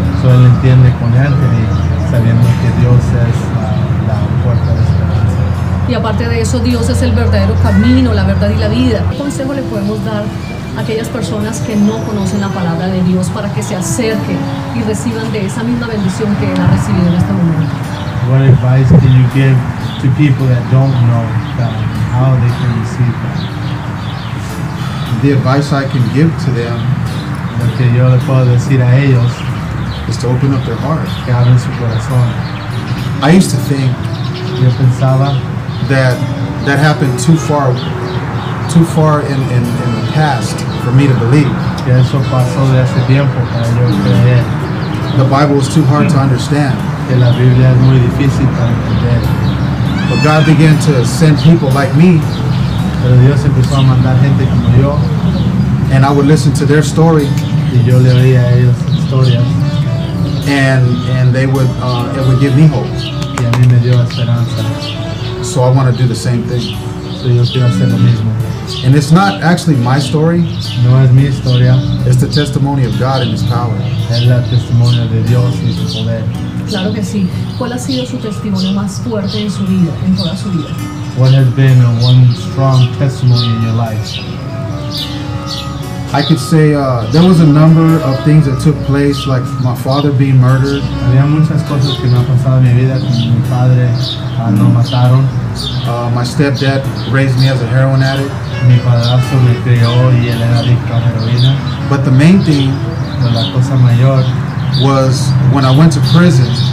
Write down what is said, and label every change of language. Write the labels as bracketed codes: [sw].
[es] So él entiende con Anthony, sabiendo que Dios es la puerta de esperanza. Y aparte de eso, Dios es el verdadero camino, la verdad y la vida. ¿Qué consejo le podemos dar aquellas personas que no conocen la palabra de Dios para que se acerquen y reciban de esa misma bendición que Él ha recibido en este momento? [en] What advice can you give to people that don't know God, how they can receive that? The advice I can give to them, [es] lo que yo le puedo decir a ellos, [en] is to open up their heart. [es] Que abren su corazón. [en] I used to think [es] yo pensaba [en] that happened too far too far in the past for me to believe. [es] Eso pasó de hace tiempo para yo creer. [en] The Bible is too hard to understand. [es] Que la Biblia es muy difícil para entender. [en] But God began to send people like me. [es] Pero Dios empezó a mandar gente como yo. [en] And I would listen to their story. [es] Y yo le oía a ellos historias. [en] And they would it would give me hope. [es] Y a mí me dio esperanza. [en] So I want to do the same thing. [es] So yo quiero hacer lo mismo. [en] And it's not actually my story. [es] No es mi historia. [en] It's the testimony of God and His power. [es] Es la testimonio de Dios y su poder. Claro que sí. ¿Cuál ha sido su testimonio más fuerte en su vida, en toda su vida? [en] What has been one strong testimony in your life? I could say there was a number of things that took place, like my father being murdered. [es] Había muchas cosas que me han pasado en mi vida, como mi padre lo mataron. [en] My stepdad raised me as a heroin addict. [es] Mi padrastro me crió y él era adicto a heroína. [en] But the main thing, [es] pero la cosa mayor, [en] was when I went to prison.